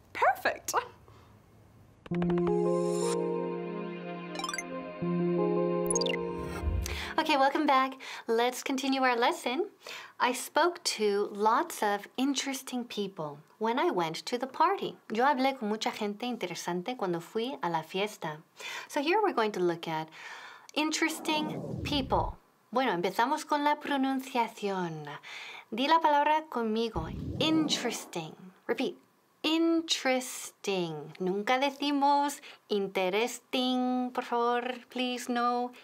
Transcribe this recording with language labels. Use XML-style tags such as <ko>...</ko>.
<en>Perfect. Okay, welcome back. Let's continue our lesson. I spoke to lots of interesting people when I went to the party.</en> <es>Yo hablé con mucha gente interesante cuando fui a la fiesta.</es> <en>So here we're going to look at interesting people.</en> <es>Bueno, empezamos con la pronunciación. Di la palabra conmigo.</es> <en>Interesting. Repeat.</en> <es>Interesting. Nunca decimos interesting, por favor, please, no.</es>